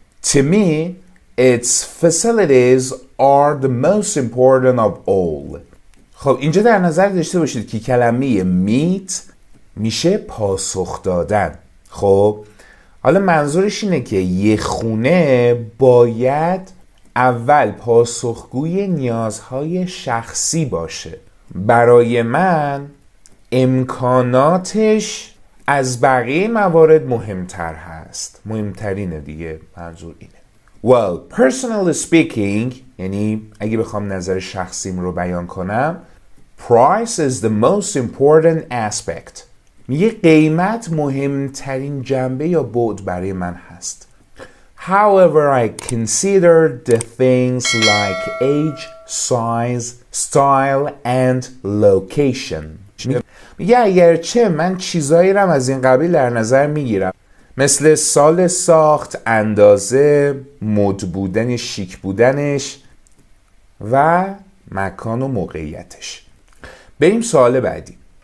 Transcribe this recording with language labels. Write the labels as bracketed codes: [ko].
[en] To me, its facilities are the most important of all. [fa] خب اینجا در نظر داشته باشید که کلمه meet میشه پاسخ دادن. خب حالا منظورش اینه که یه خونه باید اول پاسخگوی نیازهای شخصی باشه. برای من امکاناتش از بقیه موارد مهمتر هست. مهمترینه دیگه، منظور اینه. [en] Well, personally speaking، [fa] یعنی اگه بخوام نظر شخصیم رو بیان کنم، [en] Price is the most important aspect. [fa] میگه قیمت مهمترین جنبه یا بُعد برای من هست. [en] However, I consider the things like age, size, style and location. [fa] میگه اگرچه من چیزایی رو از این قبیل در نظر میگیرم، مثل سال ساخت، اندازه، مد بودن، شیک بودنش و مکان و موقعیتش. بریم سوال بعدی.